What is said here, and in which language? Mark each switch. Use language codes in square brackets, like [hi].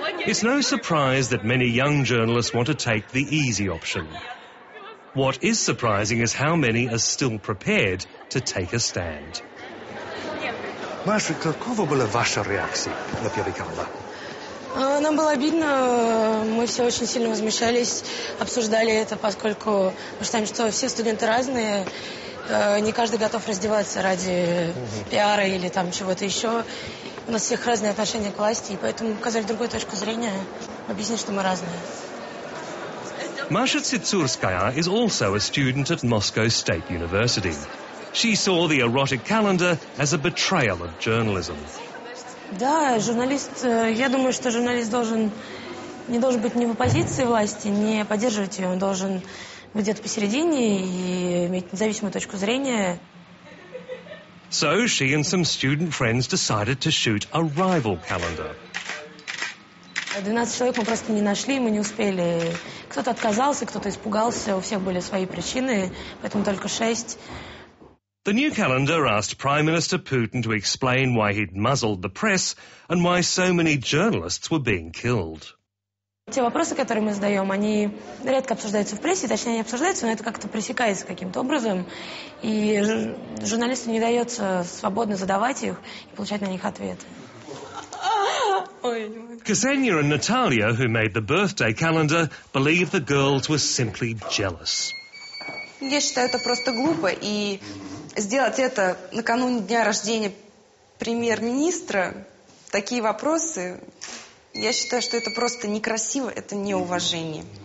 [en] It's no surprise that many young journalists want to take the easy option. What is surprising is how many are still prepared to take a stand. [ru] Маша, какова была ваша реакция на первый канал? Нам было обидно, мы все очень сильно возмущались, обсуждали это, поскольку мы считаем, что все студенты разные, не каждый готов раздеваться ради пиара или там чего-то еще. У нас всех разные отношения к власти, и поэтому указали другую точку зрения, объяснить, что мы разные. [en] Маша Цицурская is also a student at Moscow State University. She saw the erotic calendar as a betrayal of journalism. [ru] Да, журналист, я думаю, что журналист должен не должен быть ни в оппозиции власти, не поддерживать ее, он должен быть где-то посередине и иметь независимую точку зрения. [en] So she and some student friends decided to shoot a rival calendar. [ru] 12 человек мы просто не нашли, мы не успели. Кто-то отказался, кто-то испугался, у всех были свои причины, поэтому только 6. [en] The new calendar asked Prime Minister Putin to explain why he'd muzzled the press and why so many journalists were being killed. [ru] Те вопросы, которые мы задаем, они редко обсуждаются в прессе, точнее, не обсуждаются, но это как-то пресекается каким-то образом, и журналисту не дается свободно задавать их и получать на них ответы. [en] Ksenia and Natalia, who made the birthday calendar, believe the girls were simply jealous. [ru] Я считаю, это просто глупо, и сделать это накануне дня рождения премьер-министра, такие вопросы, я считаю, что это просто некрасиво, это неуважение.